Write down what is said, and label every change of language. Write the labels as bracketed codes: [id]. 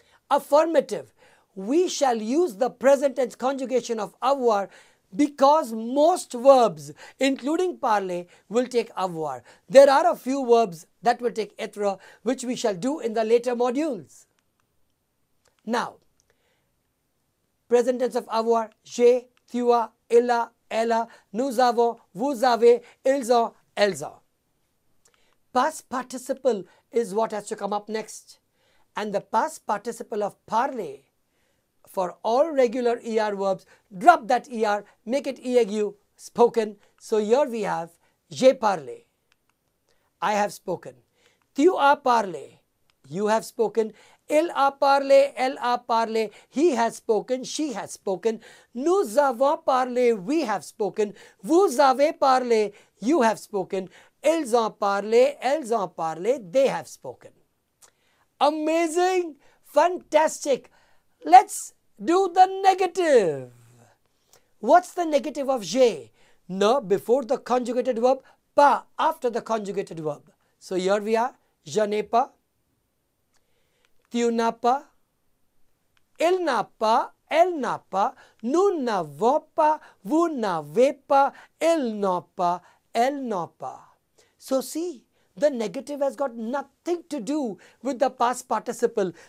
[en] Affirmative, we shall use the present tense conjugation of avoir because most verbs, including parler, will take avoir. There are a few verbs that will take être, which we shall do in the later modules. Now, present tense of avoir, [fr] j'ai, tu as, elle a, elle a, nous avons, vous avez, ils ont, elles ont. [en] Past participle is what has to come up next. And the past participle of parler, for all regular ER verbs, drop that ER, make it EAU, spoken. So here we have, [fr] j'ai parlé, [en] I have spoken. [fr] Tu as parlé, [en] you have spoken. [fr] Il a parlé, elle a parlé, [en] he has spoken, she has spoken. [fr] Nous avons parlé, [en] we have spoken. [fr] Vous avez parlé, [en] you have spoken. [fr] Ils ont parlé, elles ont parlé, [en] they have spoken. Amazing, fantastic. Let's do the negative. What's the negative of j'ai? No, before the conjugated verb, pas, after the conjugated verb. So here we are, [fr] je n'ai pas. Tu n'as pas, il n'a pas, elle n'a pas, nous n'avons pas, vous n'avez pas, il n'a pas, elle n'a pas. [en] So see, the negative has got nothing to do with the past participle.